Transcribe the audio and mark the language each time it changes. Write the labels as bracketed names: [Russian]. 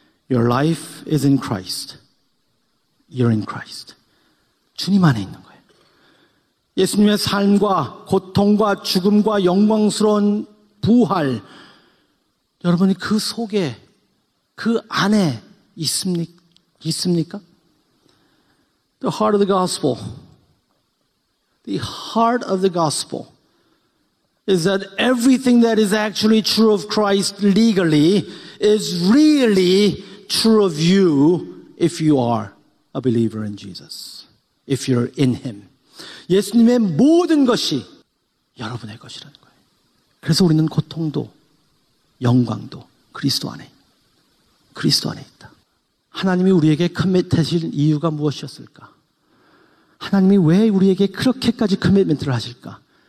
[English] Your life is in Christ. You're in Christ. [Korean] 주님 안에 있는 거예요. 예수님의 삶과 고통과 죽음과 영광스러운 부활, 여러분이 그 속에, 그 안에 있습니까? [English] The heart of the gospel. The heart of the gospel is that everything that is actually true of Christ legally is really true of you if you are a believer in Jesus. If you're in Him. [Korean] 예수님의 모든 것이 여러분의 것이라는 거예요. 그래서 우리는 고통도 영광도 그리스도 안에, 그리스도 안에 있다. 하나님이 우리에게 커밋하실 이유가 무엇이었을까? 하나님이 왜 우리에게 그렇게까지 커밋먼트를 하실까?